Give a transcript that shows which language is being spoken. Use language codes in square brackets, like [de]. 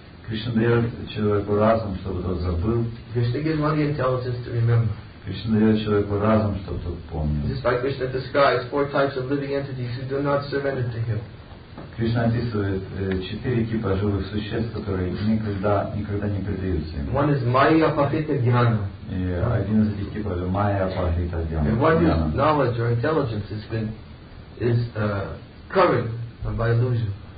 [ru] Кришна дает человеку разум, чтобы тот забыл. [en] Krishna gives one the intelligence to remember. [ru] Кришна дает человеку разум, чтобы тот помнил. [en] Just like Krishna describes four types of living entities who do not surrender to him. [ru] Кришна описывает четыре типа живых существ, которые никогда не предаются ему. [en] One is Maya Pahita Dhyana. [ru] И один из этих типов — это Maya Pahita Dhyana. [en] And one is knowledge or intelligence is covered by illusion.